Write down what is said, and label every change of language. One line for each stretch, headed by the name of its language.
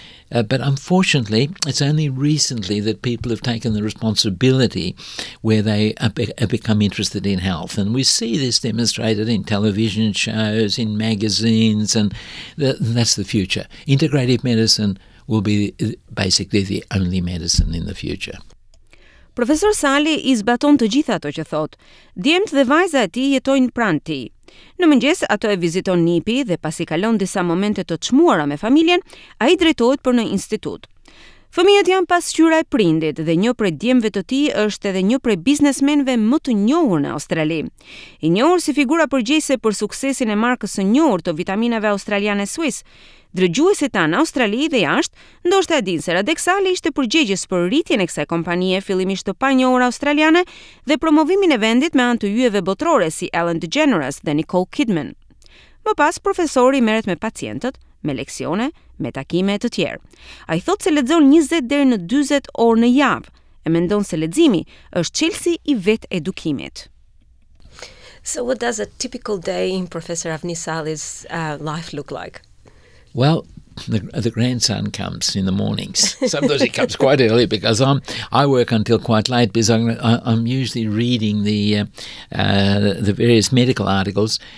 English: But unfortunately, it's only recently that people have taken the responsibility where they have become interested in health. And we see this demonstrated in television shows, in magazines, and that's the future. Integrative medicine will be basically the only medicine in the future.
Albanian: Profesor Sali i zbaton të gjitha ato që thot. Djemt dhe vajza e tij jetojnë pranë tij. Në mëngjes, ato e viziton nipi dhe pasi kalon disa momente të çmuara me familjen, ai drejtohet për në institut. Fëmijët janë pasqyra e prindit dhe një prej djemve të tij është edhe një prej biznesmenëve më të njohur në Australi. I njohur si figura përgjegjëse për suksesin e markës së njohur të vitaminave australiane Swiss. Dërgjuesit tanë Australi dhe jashtë, ndoshta e dinë se Radek Sali ishte përgjegjës për rritjen e kësaj kompanie fillimisht të panjohur australiane dhe promovimin e vendit me anë të yjeve botërore si Ellen DeGeneres dhe Nicole Kidman. Më pas profesori merret me pacientët, me leksione, me takime e të tjerë. Ai thotë se lexon 20 deri në 40 orë në javë e mendon se leximi është çelësi i vetë edukimit.
English: So what does a typical day in Professor Avni Sali's life look like? Well, the grandson comes in the mornings. Sometimes he comes quite early because I work until quite late because I'm usually reading the various medical articles.